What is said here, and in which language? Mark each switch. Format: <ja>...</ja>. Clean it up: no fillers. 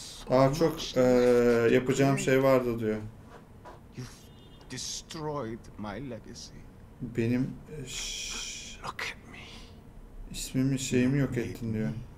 <tr>Daha çok yapacağım şey vardı diyor.</tr> <en>You've destroyed my legacy.</en> <tr>Benim</tr> <en>look at me.</en> <tr>İsmimi şeyimi yok ettin diyor.</tr>